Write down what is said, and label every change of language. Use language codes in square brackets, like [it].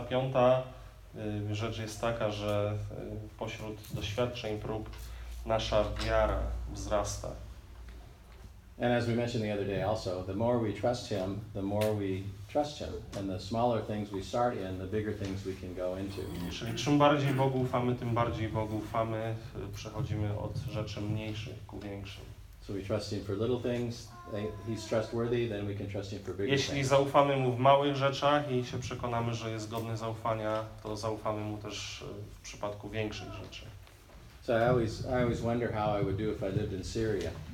[pl] Piąta rzecz jest taka, że pośród doświadczeń, prób, nasza wiara wzrasta. [en] And as we mentioned the other day also, the more we trust Him, the more we trust Him. And the smaller things we start in, the bigger things we can go into. [pl] Czyli czym bardziej Bogu ufamy, tym bardziej Bogu ufamy, przechodzimy od rzeczy mniejszych ku większym. [en] So we trust Him for little things, He's trustworthy, then we can trust Him for bigger [pl] Jeśli [en] things. [pl] Jeśli zaufamy Mu w małych rzeczach i się przekonamy, że jest godny zaufania, to zaufamy Mu też w przypadku większych rzeczy. [en] So I always wonder how I would do if I lived in Syria.